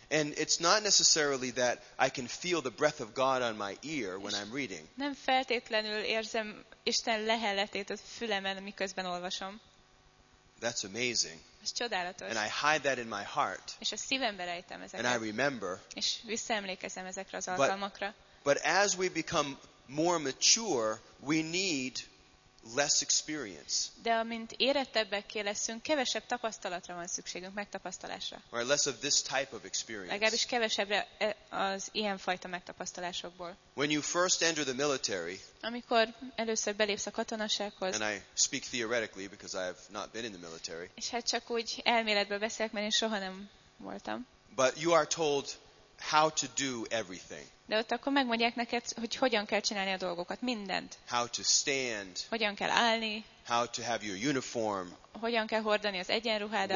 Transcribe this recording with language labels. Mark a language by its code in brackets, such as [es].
[en] And it's not necessarily that I can feel the breath of God on my ear when I'm reading. [hu] Nem feltétlenül érzem Isten leheletét a fülemen, miközben olvasom. [en] That's amazing. [hu] Ez csodálatos. [en] And I hide that in my heart. [hu] És a szívembe rejtem ezeket. [en] And I remember. [hu] És visszaemlékezem ezekre az alkalmakra. [en] But as we become more mature, we need less experience. [hu] De amint érettebbekké leszünk, kevesebb tapasztalatra van szükségünk, megtapasztalásra. [en] Or less of this type of experience. [hu] Legalábbis kevesebbre az ilyen fajta megtapasztalásokból. [en] When you first enter the military. [hu] Amikor először belépsz a katonasághoz. [en] And I speak theoretically because I have not been in the military. [hu] És hát csak úgy elméletben beszélek, mert én soha nem voltam. [en] But you are told how to do everything. [hu] De ott akkor megmondják neked, hogy hogyan kell csinálni a dolgokat, mindent. [en] How to stand. [hu] Hogyan kell állni. [en] How to have your uniform. [hu] Hogyan kell hordani az egyenruhádat.